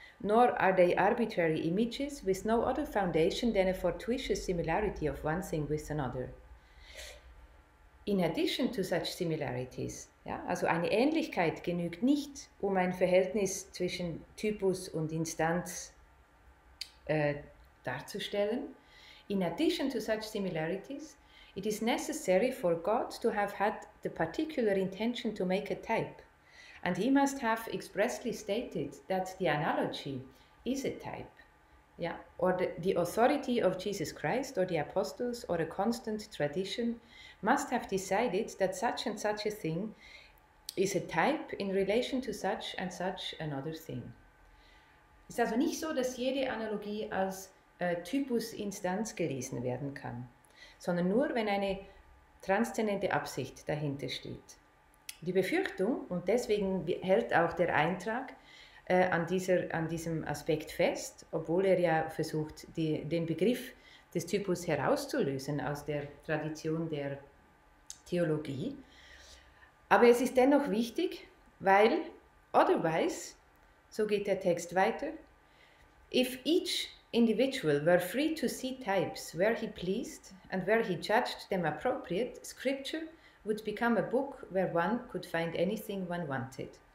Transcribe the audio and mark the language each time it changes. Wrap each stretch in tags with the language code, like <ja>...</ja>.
<en>Nor are they arbitrary images with no other foundation than a fortuitous similarity of one thing with another. In addition to such similarities,</en> <de>ja, also eine Ähnlichkeit genügt nicht, um ein Verhältnis zwischen Typus und Instanz darzustellen.</de> <en>In addition to such similarities, it is necessary for God to have had the particular intention to make a type, and he must have expressly stated that the analogy is a type, ja, or the authority of Jesus Christ or the apostles or a constant tradition must have decided that such and such a thing is a type in relation to such and such another thing.</en> <de>Es ist also nicht so, dass jede Analogie als Typusinstanz gelesen werden kann, sondern nur, wenn eine transzendente Absicht dahinter steht. Die Befürchtung, und deswegen hält auch der Eintrag an diesem Aspekt fest, obwohl er ja versucht, den Begriff des Typus herauszulösen aus der Tradition der Theologie. Aber es ist dennoch wichtig, weil</de> <en>otherwise,</en> <de>so geht der Text weiter,</de> <en>if each individual were free to see types where he pleased and where he judged them appropriate, scripture would become a book where one could find anything one wanted.</en>